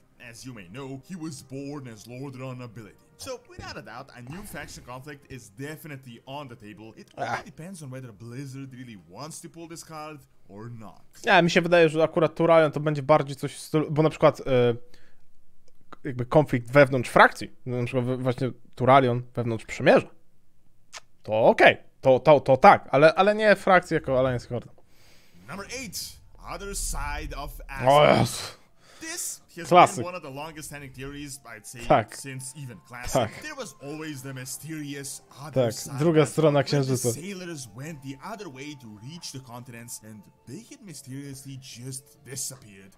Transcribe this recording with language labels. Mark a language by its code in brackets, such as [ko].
[en] As you may know, he was born as Lordran Ability. So, without a doubt, a new faction conflict is definitely on the table. It only depends on whether Blizzard really wants to pull this card or not. [pl] Nie, mi się wydaje, że akurat Turalion to będzie bardziej coś w stylu, bo na przykład jakby konflikt wewnątrz frakcji, na przykład właśnie Turalion wewnątrz Przymierza, to okej. Okay. To tak, ale nie frakcji jako Alliance Horde. [en] Number 8, Other Side of Azeroth. Yes. This has Classic. Been one of the longest standing theories, I'd say, [pl] tak. [en] Since even Classic. [pl] Tak. [en] There was always the mysterious other [pl] tak. [en] side. [pl] Druga strona księżyca. [en] The sailors went the other way to reach the continents and they had mysteriously just disappeared.